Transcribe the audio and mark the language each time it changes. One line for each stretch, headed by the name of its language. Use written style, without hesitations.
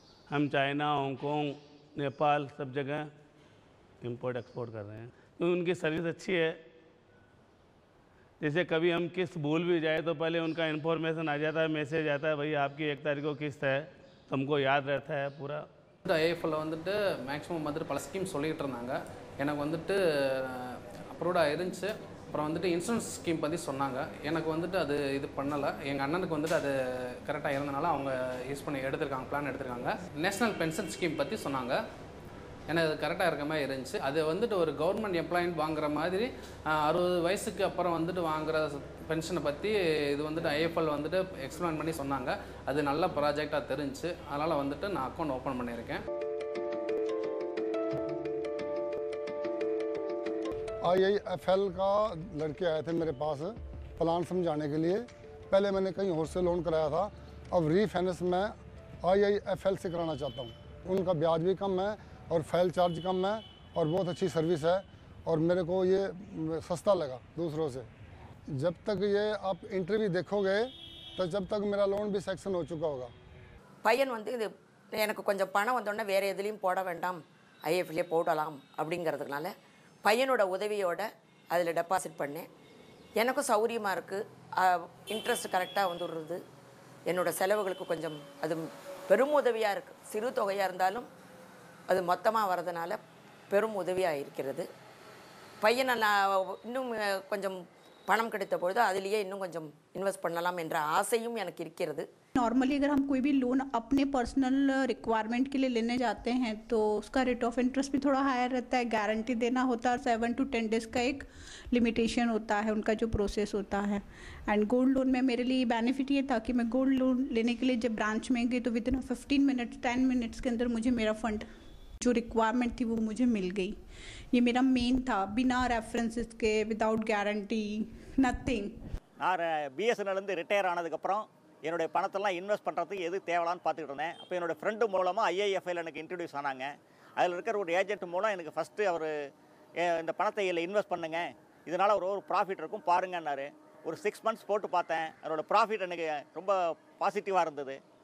Hindi: हम China, Hong Kong, Nepal सब जगह इम्पोर्ट एक्सपोर्ट कर रहे हैं, क्योंकि उनकी सर्विस अच्छी है। जैसे कभी हम किस्त भूल भी जाए तो पहले उनका इन्फॉर्मेशन आ जाता है, मैसेज आता है भाई आपकी 1 तारीख को किस्त है, तो हमको याद रहता है पूरा।
Tamil: ஐஎஃப்எல் வந்துட்டு மேக்ஸிமம் வந்துட்டு பல ஸ்கீம் சொல்லிக்கிட்டு இருந்தாங்க, எனக்கு வந்துட்டு அப்ரூவ்டாக இருந்துச்சு. அப்புறம் வந்துட்டு இன்சூரன்ஸ் ஸ்கீம் பற்றி சொன்னாங்க, எனக்கு வந்துட்டு அது இது பண்ணலை, எங்கள் அண்ணனுக்கு வந்துட்டு அது கரெக்டாக இருந்தனால அவங்க யூஸ் பண்ணி எடுத்திருக்காங்க, பிளான் எடுத்திருக்காங்க. நேஷனல் பென்ஷன் ஸ்கீம் பற்றி சொன்னாங்க, எனக்கு அது கரெக்டாக இருக்க மாதிரி இருந்துச்சு. அது வந்துட்டு ஒரு கவர்மெண்ட் எம்ப்ளாயின் வாங்குற மாதிரி 60 வயசுக்கு அப்புறம் வந்துட்டு வாங்குற பென்ஷனை பற்றி இது வந்துட்டு ஐஎஃப்எல் வந்துட்டு எக்ஸ்பிளைன் பண்ணி சொன்னாங்க, அது நல்ல ப்ராஜெக்டாக தெரிஞ்சு, அதனால் வந்துட்டு நான் அக்கௌண்ட் ஓப்பன் பண்ணியிருக்கேன்.
Hindi: ஐஎஃப்எல் கா லடக்கே ஆய தே மேரே பாஸ் பிளான் சம்ஜானே கே லியே பஹலே மேனே கஹீ ஓர் சே லோன் கராயா தா, அப் ரீஃபைனன்ஸ் மே ஐஎஃப்எல் சே கரானா சாத்தா ஹூன், உன்கா ப்யாஜ் பீ கம் ஹை और फाइल चार्ज कम है और बहुत अच्छी सर्विस है और मेरे को ये सस्ता लगा दूसरों से। जब तक ये आप इंटरव्यू देखोगे तो जब तक मेरा लोन भी सेक्शन हो चुका होगा।
Tamil: பையன் வந்து எனக்கு கொஞ்சம் பணம் வந்தேன்னா வேற எதிலயும் போட வேண்டாம் ஐஎஃப்எல்லே போடலாம் அப்படிங்கிறதுனால பையனோட உதவியோடு அதில் டெபாசிட் பண்ணேன். எனக்கும் சௌரியமாக இருக்குது, இன்ட்ரெஸ்ட் கரெக்டாக வந்துடுறது, என்னோடய செலவுகளுக்கு கொஞ்சம் அது பெரும் உதவியாக இருக்குது. சிறு தொகையாக இருந்தாலும் அது மொத்தமாக வர்றதுனால பெரும் உதவியாக இருக்கிறது. பையனை நான் இன்னும் கொஞ்சம் பணம் கிடைத்த பொழுது அதுலேயே இன்னும் கொஞ்சம் இன்வெஸ்ட் பண்ணலாம் என்ற ஆசையும் எனக்கு இருக்கிறது.
Hindi: नॉर्मली अगर हम कोई भी लोन अपने पर्सनल रिक्वायरमेंट के लिए लेने जाते हैं तो उसका रेट ऑफ इंटरेस्ट भी थोड़ा हायर रहता है, गारंटी देना होता है, 7 to 10 days का एक लिमिटेशन होता है उनका जो प्रोसेस होता है. एंड गोल्ड लोन में मेरे लिए बेनिफिट ये था कि मैं गोल्ड लोन लेने के लिए जब ब्रांच में गई तो विद इन 15 minutes, 10 minutes के अंदर मुझे मेरा फंड जो रिक्वायरमेंट थी वो मुझे मिल गई. ये मेरा मेन था, बिना रेफरेंसेस के, विदाउट गारंटी, नथिंग. बीएसएनएल से रिटायर आने के बाद
Tamil: என்னுடைய பணத்தெல்லாம் இன்வெஸ்ட் பண்ணுறதுக்கு எது தேவலான்னு பார்த்துக்கிட்டு இருந்தேன். அப்போ என்னோடய ஃப்ரெண்டு மூலமாக ஐஏஎஃப்ஐயில் எனக்கு இன்ட்ரடியூஸ் ஆனாங்க. அதில் இருக்கிற ஒரு ஏஜென்ட் மூலம் எனக்கு ஃபஸ்ட்டு அவர் இந்த பணத்தை இதில் இன்வெஸ்ட் பண்ணுங்கள், இதனால் ஒரு ஒரு ப்ராஃபிட் இருக்கும் பாருங்கன்னாரு. ஒரு 6 months போட்டு பார்த்தேன், அதோடய ப்ராஃபிட் எனக்கு ரொம்ப பாசிட்டிவாக இருந்தது.